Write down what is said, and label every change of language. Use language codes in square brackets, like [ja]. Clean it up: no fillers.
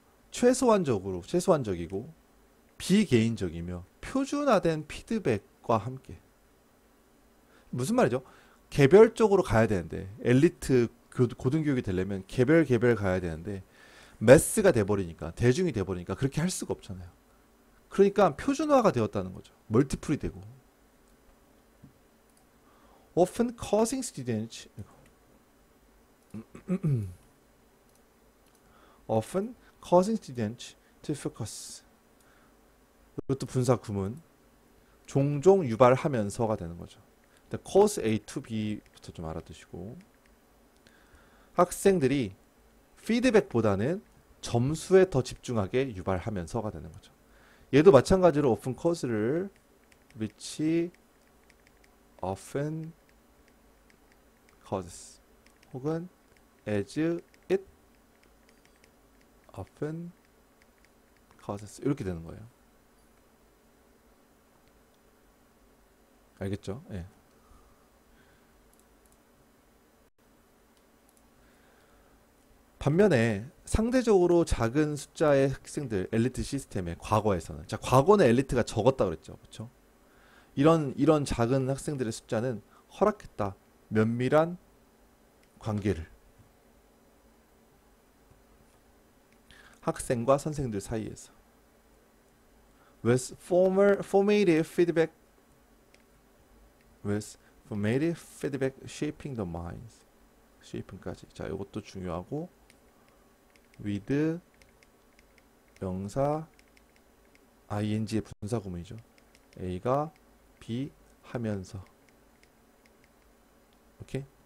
[ko] 최소한적이고 비개인적이며 표준화된 피드백과 함께. 무슨 말이죠? 개별적으로 가야 되는데, 엘리트 고등교육이 되려면 개별 가야 되는데, 매스가 돼버리니까, 대중이 돼버리니까 그렇게 할 수가 없잖아요. 그러니까 표준화가 되었다는 거죠. 멀티플이 되고. [en] Often causing students, often causing students to focus. [ko] 이것도 분사 구문. 종종 유발하면서가 되는 거죠. [en] Cause A to B부터 [ko] 좀 알아두시고. 학생들이 피드백보다는 점수에 더 집중하게 유발하면서가 되는 거죠. 얘도 마찬가지로 [en] often cause [ko] 를 [en] which often causes [ko] 혹은 [en] as it often causes [ko] 이렇게 되는 거예요. 알겠죠? 예. 반면에 상대적으로 작은 숫자의 학생들, 엘리트 시스템의 과거에서는, 자, 과거는 엘리트가 적었다 그랬죠, 그렇죠? 이런 작은 학생들의 숫자는 허락했다, 면밀한 관계를 학생과 선생들 사이에서. [en] With formal formative feedback with formative feedback shaping the minds. [ko] 쉐이핑까지. 자, 이것도 중요하고 with 명사 ing의 분사구문이죠. A가 B 하면서. 오케이?